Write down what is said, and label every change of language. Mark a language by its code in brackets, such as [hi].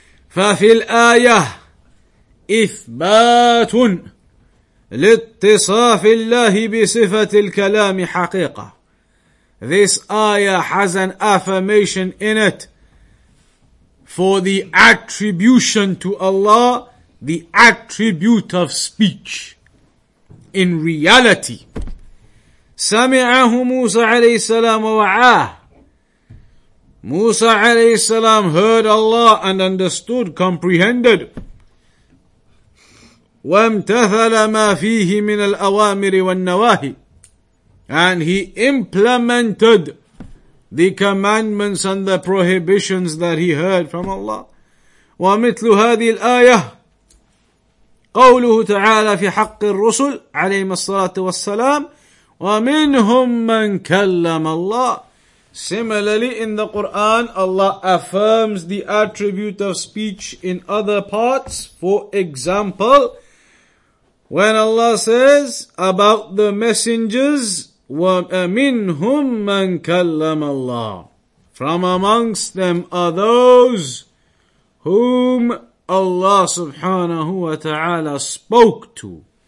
[ar] فَفِي الْآيَةِ إِثْبَاتٌ لِاتِّصَافِ اللَّهِ بِصِفَةِ الْكَلَامِ حَقِيقَةٌ. [en] This ayah has an affirmation in it for the attribution to Allah, the attribute of speech in reality. [ar] سمعه موسى عليه السلام ووعاه. [en] موسى [ar] عليه السلام [en] heard Allah and understood, comprehended. [ar] وامتثل ما فيه من الأوامر والنواهي. [en] And he implemented the commandments and the prohibitions that he heard from Allah. [ar] ومثل هذه الآية قوله تعالى في حق الرسل عليهم الصلاة والسلام وَمِنْهُمْ مَنْ كَلَّمَ اللَّهِ. [en] Similarly, in the Qur'an, Allah affirms the attribute of speech in other parts. For example, when Allah says about the messengers, [ar] وَمِنْهُمْ مَنْ كَلَّمَ اللَّهِ, [en] from amongst them are those whom Allah subhanahu wa ta'ala spoke to.